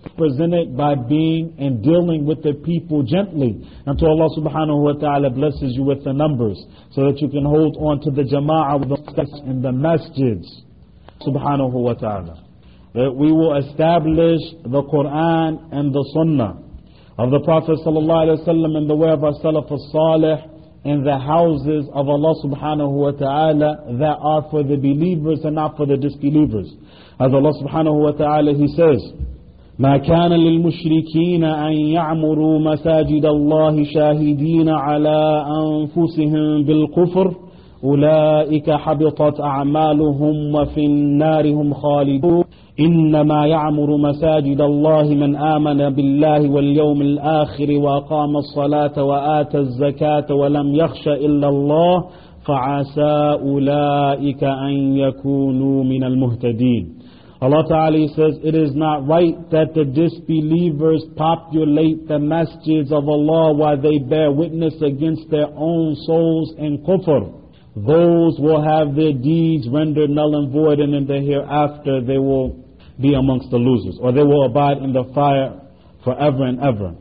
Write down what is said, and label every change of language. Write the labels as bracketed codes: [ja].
[en] Represent it by being and dealing with the people gently, until Allah subhanahu wa ta'ala blesses you with the numbers, so that you can hold on to the jama'ah with the steps in the masjids, subhanahu wa ta'ala. That we will establish the Quran and the Sunnah of the Prophet sallallahu alaihi wasallam in the way of our Salaf al-Salih in the houses of Allah subhanahu wa ta'ala that are for the believers and not for the disbelievers. As Allah subhanahu wa ta'ala, He says, [ar] ما كان للمشركين أن يعمروا مساجد الله شاهدين على أنفسهم بالكفر أولئك حبطت أعمالهم وفي النار هم خالدون. إنما يعمر مساجد الله من آمن بالله واليوم الآخر وأقام الصلاة وآتى الزكاة ولم يخش إلا الله فعسى أولئك أن يكونوا من المهتدين. [en] Allah Ta'ala says, it is not right that the disbelievers populate the masjids of Allah while they bear witness against their own souls in kufr. Those will have their deeds rendered null and void, and in the hereafter they will be amongst the losers, or they will abide in the fire forever and ever.